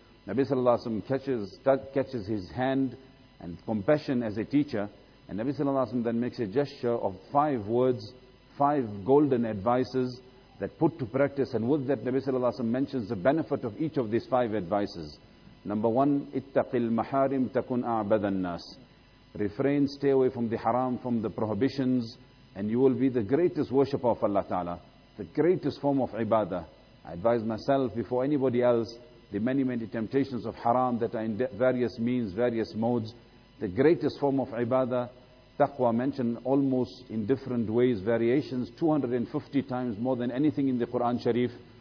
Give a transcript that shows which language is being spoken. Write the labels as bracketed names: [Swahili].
[English] Nabi sallallahu alaihi wasallam catches his hand and compassion as a teacher, And Nabi Sallallahu Alaihi Wasallam then makes a gesture of five words, five golden advices that put to practice. And with that, Nabi Sallallahu Alaihi Wasallam mentions the benefit of each of these five advices. Number one, [Arabic] اِتَّقِ الْمَحَارِمْ تَكُنْ أَعْبَدَ النَّاسِ. [English] Refrain, stay away from the haram, from the prohibitions, and you will be the greatest worshipper of Allah Ta'ala, the greatest form of ibadah. I advise myself before anybody else, the many, many temptations of haram that are in various means, various modes, the greatest form of ibadah, taqwa mentioned almost in different ways, variations, 250 times more than anything in the Quran Sharif.